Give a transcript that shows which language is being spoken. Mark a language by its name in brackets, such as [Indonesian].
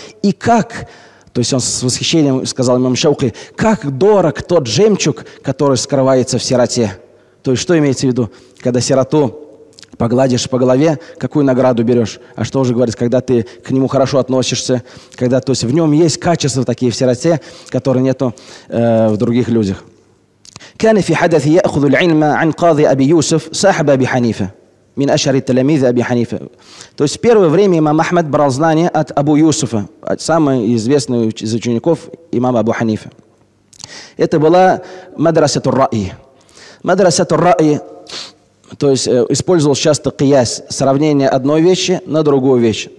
[Russian] И как, то есть он с восхищением сказал имам Шаухи, как дорог тот жемчуг, который скрывается в сироте. То есть что имеется в виду, когда сироту погладишь по голове, какую награду берешь? А что уже говорить, когда ты к нему хорошо относишься, когда, то есть в нем есть качества такие в сироте, которые нету в других людях. [Arabic] كان في حدث يأخذ العلم عن قاضي أبي يوسف صاحب أبي حنيفة من أشهر التلاميذ أبي حنيفة. [Russian] То есть в первое время имам Ахмад брал знания от Абу Юсуфа, от самого известного из учеников имама Абу Ханифа. Это была мадраса ар-Ра'и. Мадраса ар-Ра'и, то есть использовал часто кияс, сравнение одной вещи на другую вещь.